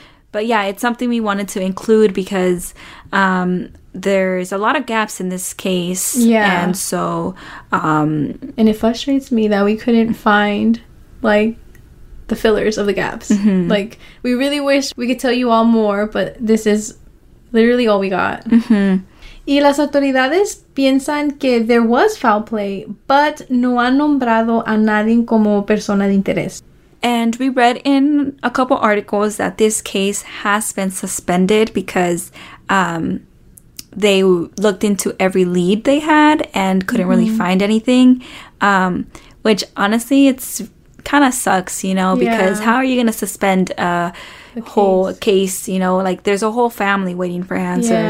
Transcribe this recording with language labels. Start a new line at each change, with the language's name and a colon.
English: But, yeah, it's something we wanted to include because there's a lot of gaps in this case. Yeah. And so and it frustrates me that we couldn't find, like, the fillers of the gaps. Mm-hmm. Like, we really wish we could tell you all more, but this is literally all we got. Mm-hmm.
Spanish: Y las autoridades piensan que
English: there was foul play, but
Spanish: no han nombrado a nadie como persona de interés.
English: And we read in a couple articles that this case has been suspended because they looked into every lead they had and couldn't really find anything, which honestly, it's kind of sucks, you know, because how are you going to suspend a whole case, you know, like there's a whole family waiting for answers. Yeah.